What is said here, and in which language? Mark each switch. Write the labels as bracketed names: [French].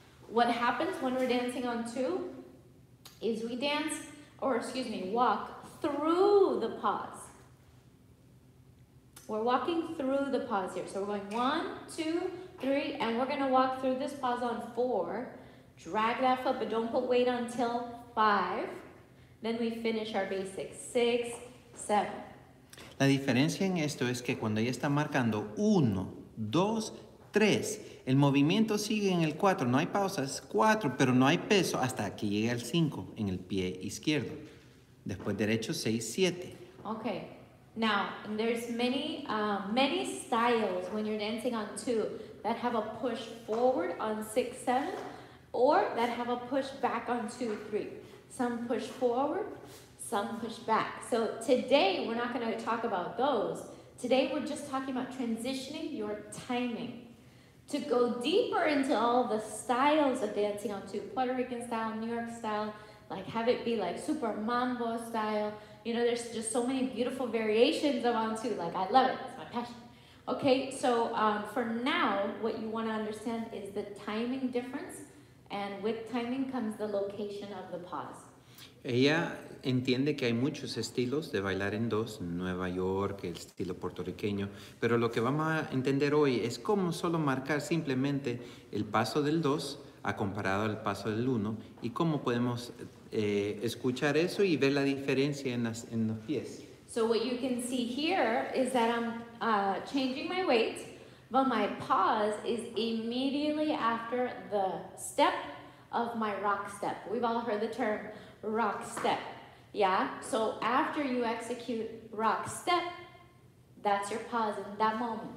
[English] What happens when we're dancing on two is we dance, or excuse me, walk through the pause. We're walking through the pause here. So we're going one, two, three, and we're gonna walk through this pause on four. Drag that foot, but don't put weight until five. Then we finish our basics, six, seven. [Spanish] La diferencia en esto es que cuando ella está marcando uno, dos, tres, el movimiento sigue en el cuatro, no hay pausas, cuatro, pero no hay peso hasta que llegue al cinco en el pie izquierdo. Después derecho, seis, siete. [English] Okay. Now, there's many, many styles when you're dancing on two that have a push forward on six, seven, or that have a push back on two, three. Some push forward, some push back. So today, we're not going to talk about those. Today, we're just talking about transitioning your timing. To go deeper into all the styles of dancing on two, Puerto Rican style, New York style, like have it be like super mambo style. You know, there's just so many beautiful variations of on two. Like, I love it. It's my passion. Okay, so for now, what you want to understand is the timing difference. And with timing comes the location of the pause. [Spanish] Ella entiende que hay muchos estilos de bailar en dos, Nueva York, el estilo puertorriqueño, pero lo que vamos a entender hoy es cómo solo marcar simplemente el paso del dos a comparado al paso del uno y cómo podemos escuchar eso y ver la diferencia en los pies. [English] So what you can see here is that I'm changing my weight, but my pause is immediately after the step of my rock step. We've all heard the term rock step, yeah? So after you execute rock step, that's your pause in that moment.